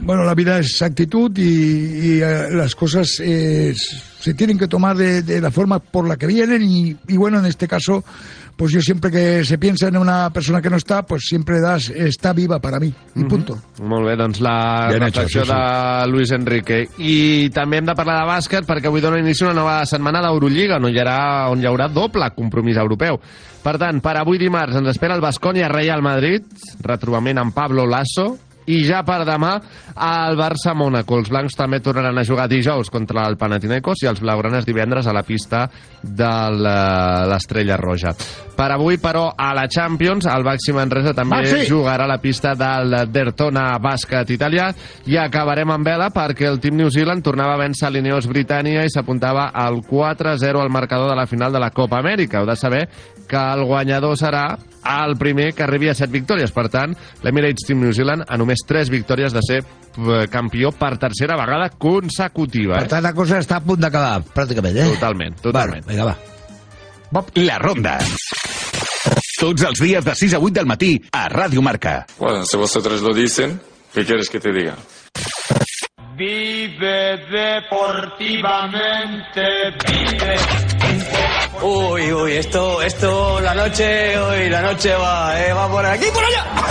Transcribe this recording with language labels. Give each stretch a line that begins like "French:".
Spanish: Bueno, la vida es actitud y las cosas se tienen que tomar de la forma por la que vienen y bueno, en este caso, pues yo siempre que se piensa en una persona que no está, pues siempre das, está viva para mí, y punto.
Catalan: Molt bé, doncs la reflexió de Luis Enrique. I també hem de parlar de bàsquet perquè avui dona inici una nova setmana d'Eurolliga, on hi haurà doble compromís europeu. Per tant, per avui dimarts ens espera el Baskonia Real Madrid, retrobament amb Pablo Lasso, i ja per demà el Barça-Mònaco. Els blancs també tornaran a jugar dijous contra el Panathinaikos i els blaugranes divendres a la pista de l'Estrella Roja. Per avui, però, a la Champions, el Baxi Manresa també jugarà a la pista del Dertona Bàsquet Italià. I acabarem amb vela perquè el Team New Zealand tornava a vèncer l'Ineos Britània i s'apuntava al 4-0 al marcador de la final de la Copa Amèrica. Heu de saber que el guanyador serà el primer que arribi a 7 victòries. Per tant, l'Emirates Team New Zealand a només 3 victòries de ser campió per tercera vegada consecutiva. Per tant, la cosa està a punt d'acabar, pràcticament, eh? Totalment, totalment. Bueno, vinga, va. Bob, la ronda. Tots els dies de 6 a 8 del matí a Ràdio Marca.
Spanish: Bueno, si vosotros lo dicen, ¿qué quieres que te diga? Vive deportivamente, vive. Uy, uy, esto, la noche, hoy la noche va, va por aquí, por allá.